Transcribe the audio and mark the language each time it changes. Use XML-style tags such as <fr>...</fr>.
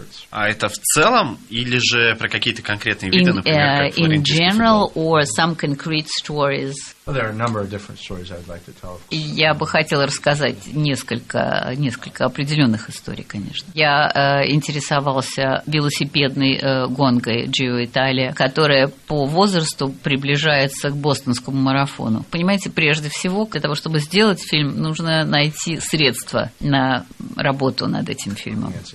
<ru>А это в целом или же про какие-то конкретные виды, например, как флорентийский</ru> <en>футбол? In general</en> <ru>футбол?</ru> <en>Or some concrete stories? Well, there are a number of different stories I'd like to tell.</en> <ru>Я бы хотела рассказать несколько определенных историй, конечно. Я интересовался велосипедной гонкой Джио Италия, которая по возрасту приближается к бостонскому марафону. Понимаете, прежде всего, для того, чтобы сделать фильм, нужно найти средства на работу над этим фильмом.</ru>